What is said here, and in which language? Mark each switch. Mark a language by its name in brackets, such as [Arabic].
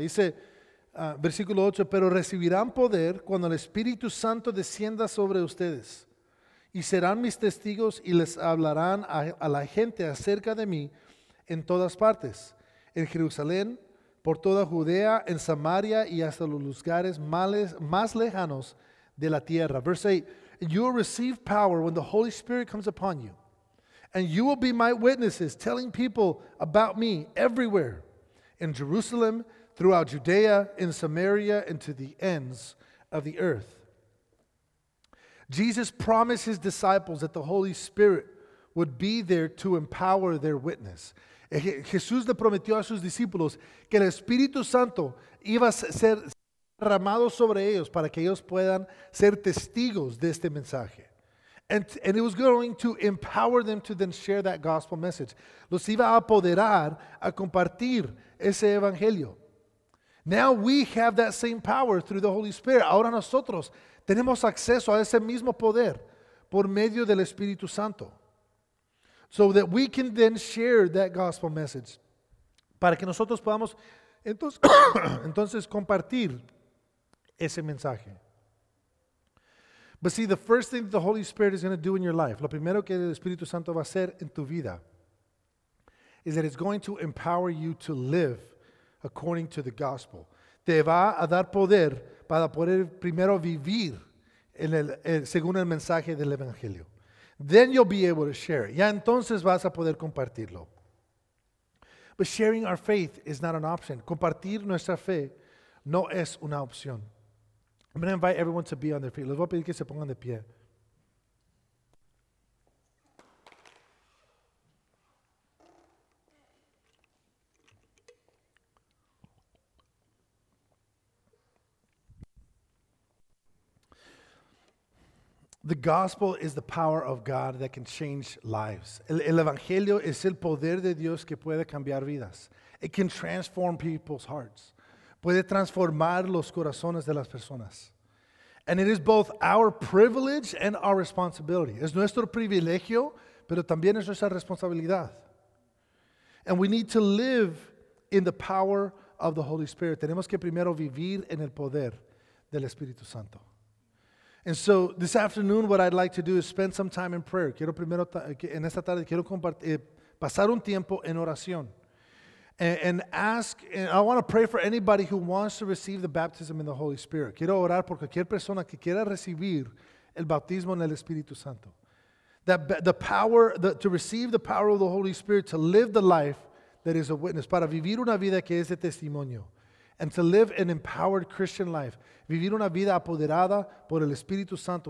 [Spanish] Dice, versículo 8, pero recibirán poder cuando el Espíritu Santo descienda sobre ustedes. Y serán mis testigos y les hablarán a la gente acerca de mí en todas partes, en Jerusalén, por toda Judea, en Samaria y hasta los lugares más lejanos de la tierra. [English] Verse 8, you will receive power when the Holy Spirit comes upon you, and you will be my witnesses, telling people about me everywhere, in Jerusalem, throughout Judea, in Samaria, and to the ends of the earth. Jesus promised his disciples that the Holy Spirit would be there to empower their witness. [Spanish] Jesús le prometió a sus discípulos que el Espíritu Santo iba a ser derramado sobre ellos para que ellos puedan ser testigos de este mensaje. [English] And it was going to empower them to then share that gospel message. [Spanish] Los iba a apoderar a compartir ese evangelio. [English] Now we have that same power through the Holy Spirit. [Spanish] Ahora nosotros tenemos acceso a ese mismo poder por medio del Espíritu Santo. [English] So that we can then share that gospel message. [Spanish] Para que nosotros podamos entonces compartir ese mensaje. [English] But see, the first thing that the Holy Spirit is going to do in your life, [Spanish] lo primero que el Espíritu Santo va a hacer en tu vida, [English] is that it's going to empower you to live according to the gospel. [Spanish] Te va a dar poder para poder primero vivir según el mensaje del Evangelio. [English] Then you'll be able to share. [Spanish] Ya entonces vas a poder compartirlo. [English] But sharing our faith is not an option. [Spanish] Compartir nuestra fe no es una opción. [English] I'm going to invite everyone to be on their feet. [Spanish] Les voy a pedir que se pongan de pie. [English] The gospel is the power of God that can change lives. [Spanish] El evangelio es el poder de Dios que puede cambiar vidas. [English] It can transform people's hearts. [Spanish] Puede transformar los corazones de las personas. [English] And it is both our privilege and our responsibility. [Spanish] Es nuestro privilegio, pero también es nuestra responsabilidad. [English] And we need to live in the power of the Holy Spirit. [Spanish] Tenemos que primero vivir en el poder del Espíritu Santo. [English] And so this afternoon, what I'd like to do is spend some time in prayer. [Spanish] Quiero primero, en esta tarde, quiero pasar un tiempo en oración. [English] And I want to pray for anybody who wants to receive the baptism in the Holy Spirit. [Spanish] Quiero orar por cualquier persona que quiera recibir el bautismo en el Espíritu Santo. [English] That to receive the power of the Holy Spirit to live the life that is a witness. [Spanish] Para vivir una vida que es de testimonio. [English] And to live an empowered Christian life. [Spanish] Vivir una vida apoderada por el Espíritu Santo.